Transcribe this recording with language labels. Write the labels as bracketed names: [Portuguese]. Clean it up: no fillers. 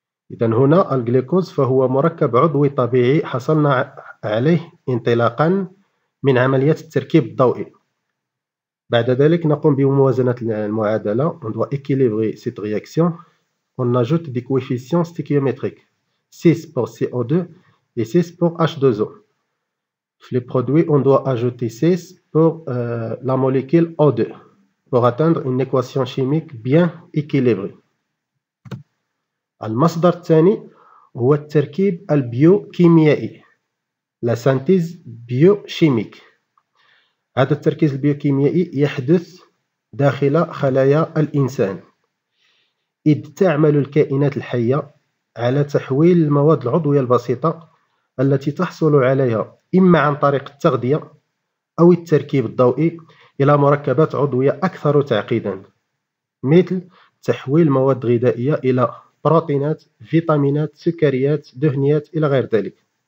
[Arabic] إذن هنا الجليكوز فهو مركب عضوي طبيعي حصلنا عليه انطلاقا من عملية التركيب الضوئي. بعد ذلك نقوم بموازنة المعادلة [French] on doit équilibrer cette réaction. On ajoute des coefficients stoichiométriques 6 pour CO2 et 6 pour H2O. Sur les produits on doit ajouter 6 pour la molécule O2 pour atteindre une équation chimique bien équilibrée. [Arabic] المصدر الثاني هو التركيب البيوكيميائي [French] la synthèse biochimique. [Arabic] هذا التركيز البيوكيميائي يحدث داخل خلايا الإنسان، إذ تعمل الكائنات الحية على تحويل المواد العضوية البسيطة التي تحصل عليها إما عن طريق التغذية أو التركيب الضوئي إلى مركبات عضوية أكثر تعقيدا، مثل تحويل مواد غذائية إلى بروتينات، فيتامينات، سكريات، دهنيات إلى غير ذلك.